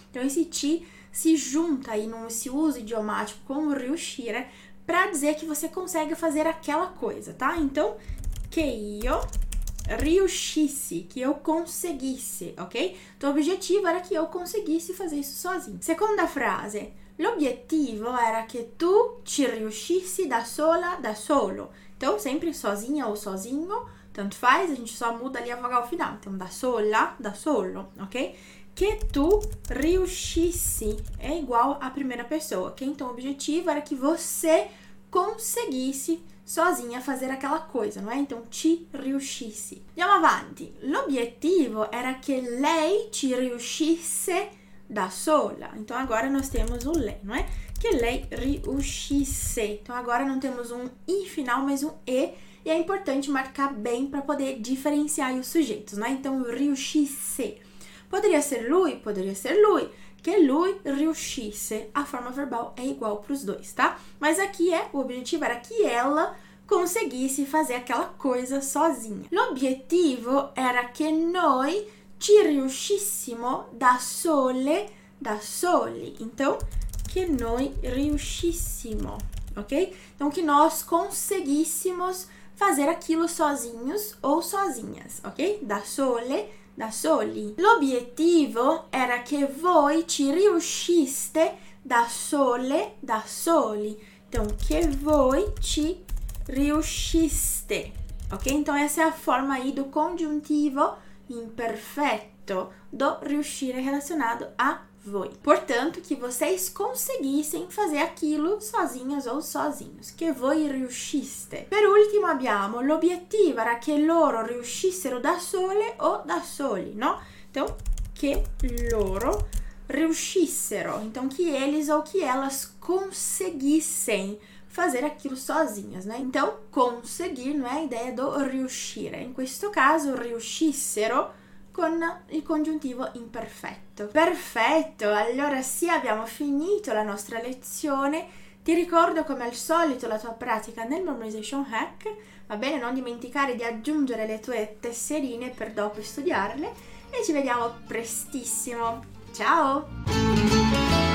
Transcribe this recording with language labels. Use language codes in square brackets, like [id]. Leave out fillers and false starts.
[pt] Então, esse ti se junta aí nesse uso idiomático com o riuscire para dizer que você consegue fazer aquela coisa, tá? Então, que [it] io riuscissi, [pt] que eu conseguisse, ok? Então, o objetivo era que eu conseguisse fazer isso sozinho. [it] Seconda frase. L'obiettivo era che tu ci riuscissi da sola, da solo. [pt] Então, sempre sozinha ou sozinho, tanto faz, a gente só muda ali a vogal final. Então, da sola, da solo, ok? [it] Che tu riuscissi [pt] é igual à primeira pessoa, ok? Então, o objetivo era que você conseguisse sozinha fazer aquela coisa, não é? [it] Então, ci riuscisse. Andiamo avanti. L'obiettivo era che lei ci riuscisse da sola. [pt] Então, agora nós temos o lei, não é? [it] Che lei riuscisse. [pt] Então, agora não temos um i final, mas um e. E é importante marcar bem para poder diferenciar os sujeitos, não é? Então, riuscisse. Poderia ser lui? Poderia ser lui. [it] Que lui riuscisse. [pt] A forma verbal é igual para os dois, tá? Mas aqui é, o objetivo era que ela conseguisse fazer aquela coisa sozinha. [it] L'obiettivo era che noi ci riuscissimo da sole, da soli. [pt] Então, [it] che noi riuscissimo, [pt] ok? Então, que nós conseguíssemos fazer aquilo sozinhos ou sozinhas, ok? [it] Da sole, da soli. L'obiettivo era che voi ci riusciste da sole, da soli. [pt] Então, [it] che voi ci riusciste, ok? [pt] Então, essa é a forma aí do congiuntivo imperfeito do riuscire relacionado a voi. Portanto, que vocês conseguissem fazer aquilo sozinhas ou sozinhos. [it] Che voi riusciste. Per ultimo abbiamo, l'obiettivo era che loro riuscissero da sole o da soli, no? [pt] Então, [it] che loro riuscissero. [pt] Então, que eles ou que elas conseguissem fazer aquilo sozinhas, né? Então, conseguir, não é a ideia do riuscire. [it] In questo caso, riuscissero con il congiuntivo imperfetto. Perfetto! Allora sì, abbiamo finito la nostra lezione. Ti ricordo come al solito la tua pratica nel [en] memorization hack. [it] Va bene, non dimenticare di aggiungere le tue tesserine per dopo studiarle. E ci vediamo prestissimo. Ciao!